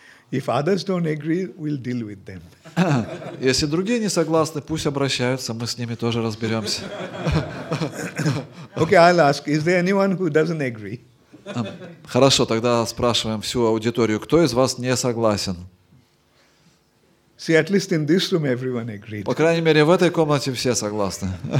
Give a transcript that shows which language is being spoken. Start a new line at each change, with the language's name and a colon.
English: If others don't agree, we'll deal with them.
Russian: Если другие не согласны, пусть обращаются, мы с ними тоже разберемся.
English: Okay, I'll ask, is there anyone who doesn't agree?
Russian: Хорошо, тогда спрашиваем всю аудиторию, кто из вас не согласен?
English: See, at least in this room everyone agreed.
Russian: По крайней мере, в этой комнате все согласны.